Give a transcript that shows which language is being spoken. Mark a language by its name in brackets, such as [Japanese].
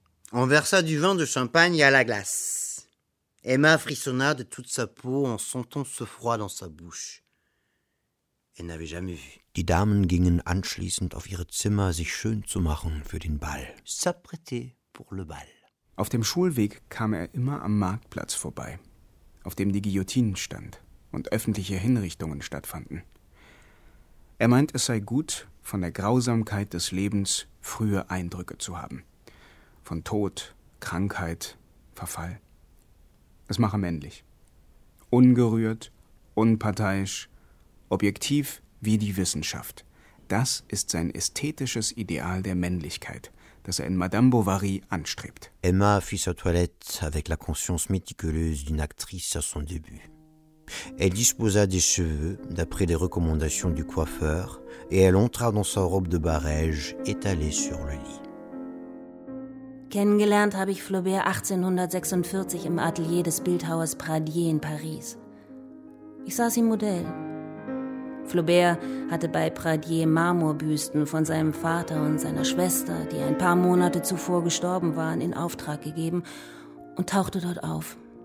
[French] On versa du vin de champagne à la glace. Emma frissonna de toute sa peau en sentant ce froid dans sa bouche. Elle n'avait jamais vu. [German] Die Damen gingen anschließend auf ihre Zimmer, sich schön zu machen für den Ball. [French] S'apprêter pour le bal. [German] Auf dem Schulweg kam er immer am Marktplatz vorbei, auf dem die Guillotine stand und öffentliche Hinrichtungen stattfanden. Er meint, es sei gut, von der Grausamkeit des Lebens frühe Eindrücke zu haben. Von Tod, Krankheit, Verfall. Es mache männlich. Ungerührt, unparteiisch, objektiv wie die Wissenschaft. Das ist sein ästhetisches Ideal der Männlichkeit, das er in Madame Bovary anstrebt. [French] Emma fit sa toilette avec la conscience méticuleuse d'une actrice à son début. Elle disposa des cheveux d'après les recommandations du coiffeur et elle entra dans sa robe de barège étalée sur le lit. [German] Kennengelernt habe ich Flaubert 1846 im Atelier des Bildhauers Pradier in Paris. Ich saß im Modell. Flaubert hatte bei Pradier Marmorbüsten von seinem Vater und seiner Schwester, die ein paar Monate zuvor gestorben waren, in Auftrag gegeben und tauchte dort auf.